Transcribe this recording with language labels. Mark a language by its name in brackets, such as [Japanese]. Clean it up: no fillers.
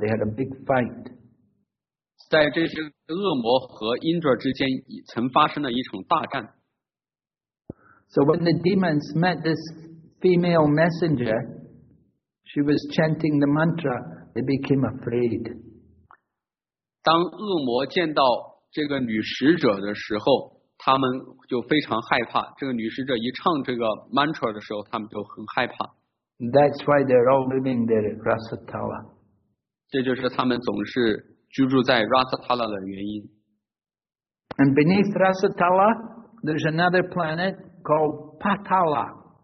[English] They had a big fight. [Chinese] 在这些恶魔和 Indra 之间曾发生了一场大战。 [English] So when the demons met this female messenger, she was chanting the mantra, they became afraid. [Chinese] 当恶魔见到这个女使者的时候，他们就非常害怕。这个女使者一唱这个 mantra 的时候，他们就很害怕。 [English] That's why they're all living there at Rasatala. [Chinese] 这就是他们总是居住在 Rasatala 的原因。 [English] And beneath Rasatala, there's another planet called Patala.